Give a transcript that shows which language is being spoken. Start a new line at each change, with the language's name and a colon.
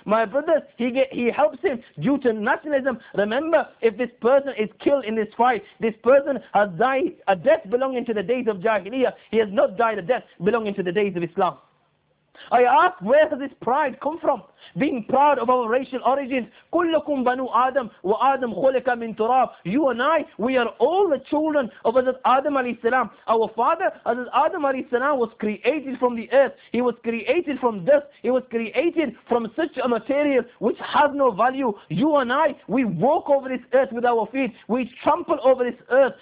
English: My brothers, he helps him due to nationalism. Remember, if this person is killed in this fight, this person has died a death belonging to the days of Jahiliyyah. He has not died a death belonging to the days of Islam. I ask, where does this pride come from? Being proud of our racial origins.
Arabic: كلكم بنو آدم وآدم خلق من تراب.
English: You and I, we are all the children of Hazrat Adam alayhi salam. Our father, Hazrat Adam alayhi salam, was created from the earth. He was created from dust. He was created from such a material which has no value. You and I, we walk over this earth with our feet. We trample over this earth.